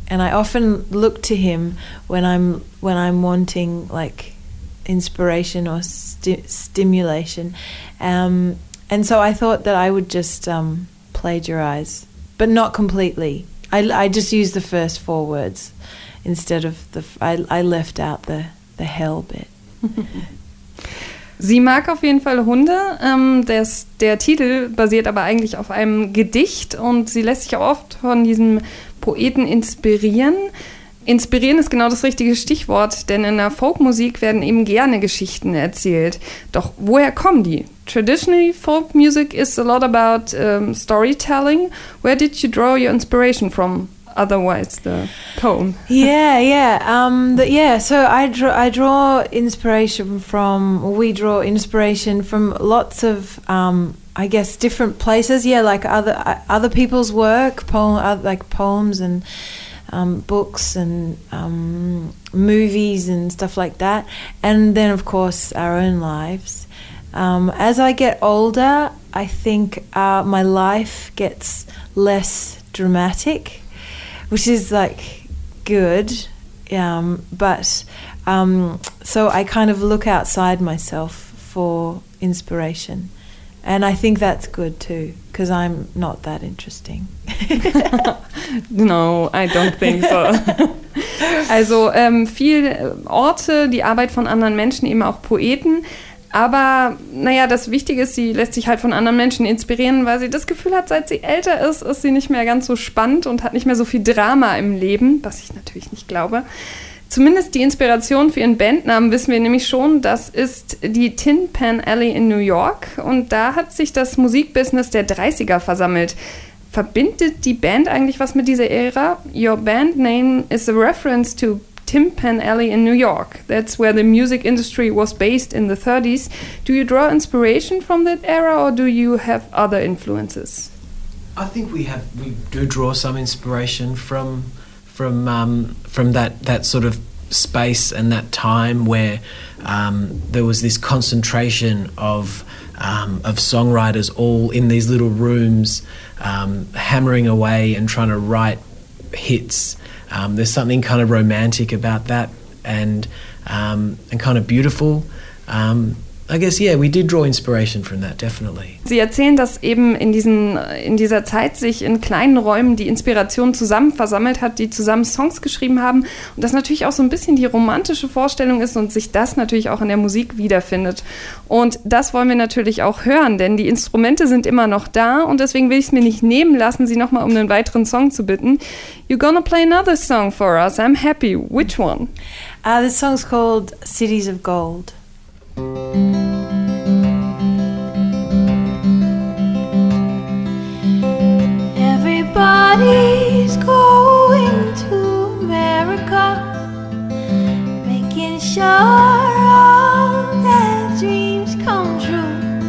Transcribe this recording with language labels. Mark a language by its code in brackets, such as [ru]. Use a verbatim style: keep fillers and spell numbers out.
[en] And I often look to him when I'm when I'm wanting like inspiration or sti- stimulation. Um, and so I thought that I would just um, plagiarize, but not completely. I, I just used the first four words instead of the... I, I left out the, the hell bit. [de] Sie mag auf jeden Fall Hunde. Ähm, der, der Titel basiert aber eigentlich auf einem Gedicht und sie lässt sich auch oft von diesem Poeten inspirieren. Inspirieren ist genau das richtige Stichwort, denn in der Folkmusik werden eben gerne Geschichten erzählt. Doch woher kommen die? [en] Traditionally, folk music is a lot about um, storytelling. Where did you draw your inspiration from? Otherwise, the poem. Yeah, yeah, um, the, yeah. So I draw, I draw inspiration from. We draw inspiration from lots of. Um, I guess different places, yeah, like other other people's work, poem, like poems and um, books and um, movies and stuff like that, and then of course our own lives. Um, as I get older, I think uh, my life gets less dramatic, which is like good, um, but um, so I kind of look outside myself for inspiration. And I think that's good too, because I'm not that interesting. No, I don't think so. [de] Also ähm, viele Orte, die Arbeit von anderen Menschen, eben auch Poeten. Aber naja, das Wichtige ist, sie lässt sich halt von anderen Menschen inspirieren, weil sie das Gefühl hat, seit sie älter ist, ist sie nicht mehr ganz so spannend und hat nicht mehr so viel Drama im Leben, was ich natürlich nicht glaube. Zumindest die Inspiration für ihren Bandnamen wissen wir nämlich schon, das ist die Tin Pan Alley in New York und da hat sich das Musikbusiness der dreißiger versammelt. Verbindet die Band eigentlich was mit dieser Ära? [en] Your band name is a reference to Tin Pan Alley in New York. That's where the music industry was based in the thirties. Do you draw inspiration from that era or do you have other influences? I think we have, we do draw some inspiration from... from um, from that, that sort of space and that time where um, there was this concentration of um, of songwriters all in these little rooms um, hammering away and trying to write hits. Um, there's something kind of romantic about that and um, and kind of beautiful. Um, I guess, yeah, we did draw inspiration from that, definitely. [de] Sie erzählen, dass eben in, diesen, in dieser Zeit sich in kleinen Räumen die Inspiration zusammen versammelt hat, die zusammen Songs geschrieben haben und das natürlich auch so ein bisschen die romantische Vorstellung ist und sich das natürlich auch in der Musik wiederfindet. Und das wollen wir natürlich auch hören, denn die Instrumente sind immer noch da und deswegen will ich es mir nicht nehmen lassen, Sie nochmal um einen weiteren Song zu bitten. [en] You're gonna play another song for us, I'm happy. Which one? Uh, this song's called Cities of Gold. Everybody's going to America, making sure all their dreams come true.